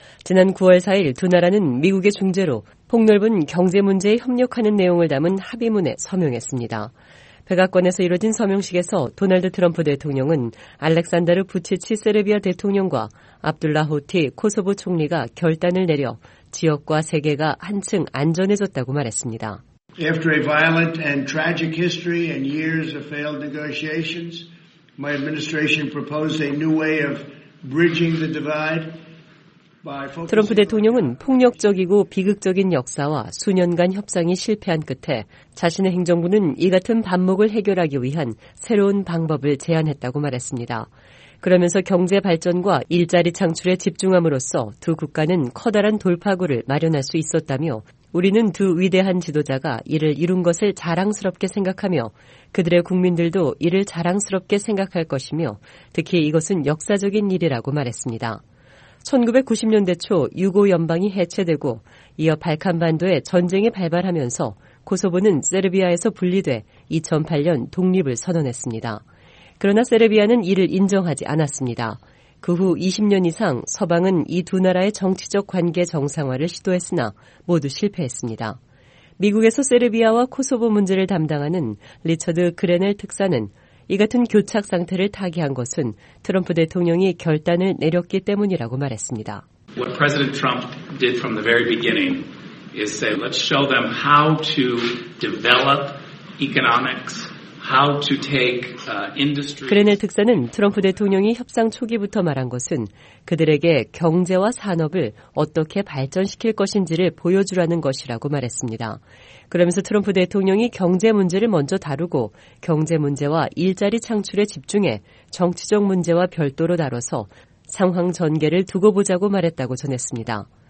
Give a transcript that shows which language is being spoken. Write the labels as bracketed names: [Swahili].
[Korean] 지난 9월 4일 두 나라는 미국의 중재로 폭넓은 경제 문제에 협력하는 내용을 담은 합의문에 서명했습니다. 백악관에서 이뤄진 서명식에서 도널드 트럼프 대통령은 알렉산다르 부치치 세르비아 대통령과 압둘라 호티 코소보 총리가 결단을 내려 지역과 세계가 한층 안전해졌다고 말했습니다. [English] After a violent and tragic history and years of failed negotiations, my administration proposed a new way of bridging the divide. [Korean] 트럼프 대통령은 폭력적이고 비극적인 역사와 수년간 협상이 실패한 끝에 자신의 행정부는 이 같은 반목을 해결하기 위한 새로운 방법을 제안했다고 말했습니다. 그러면서 경제 발전과 일자리 창출에 집중함으로써 두 국가는 커다란 돌파구를 마련할 수 있었다며 우리는 두 위대한 지도자가 이를 이룬 것을 자랑스럽게 생각하며 그들의 국민들도 이를 자랑스럽게 생각할 것이며 특히 이것은 역사적인 일이라고 말했습니다. 1990년대 초 유고 연방이 해체되고 이어 발칸반도에 전쟁이 발발하면서 코소보는 세르비아에서 분리돼 2008년 독립을 선언했습니다. 그러나 세르비아는 이를 인정하지 않았습니다. 그 후 20년 이상 서방은 이 두 나라의 정치적 관계 정상화를 시도했으나 모두 실패했습니다. 미국에서 세르비아와 코소보 문제를 담당하는 리처드 그레넬 특사는 이 같은 교착 상태를 타개한 것은 트럼프 대통령이 결단을 내렸기 때문이라고 말했습니다. [English] What President Trump did from the very beginning is say, let's show them how to develop economics. How to take industry. [Korean] 그레넬 특사는 트럼프 대통령이 협상 초기부터 말한 것은 그들에게 경제와 산업을 어떻게 발전시킬 것인지를 보여주라는 것이라고 말했습니다. 그러면서 트럼프 대통령이 경제 문제를 먼저 다루고 경제 문제와 일자리 창출에 집중해 정치적 문제와 별도로 다뤄서 상황 전개를 두고 보자고 말했다고 전했습니다.